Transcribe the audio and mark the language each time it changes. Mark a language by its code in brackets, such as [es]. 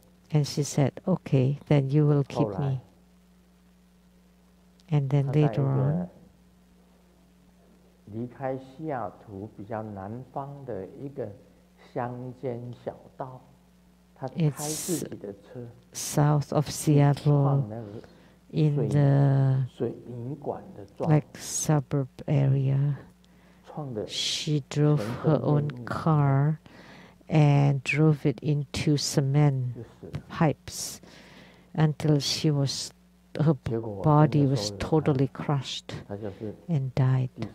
[en] And she said, okay, then you will keep me. And then later on, [zh] 离开西雅图比较南方的一个乡间小道, [en] it's south of Seattle, in the like suburb area. She drove her own car and drove it into cement pipes until she was, her body was totally crushed and died.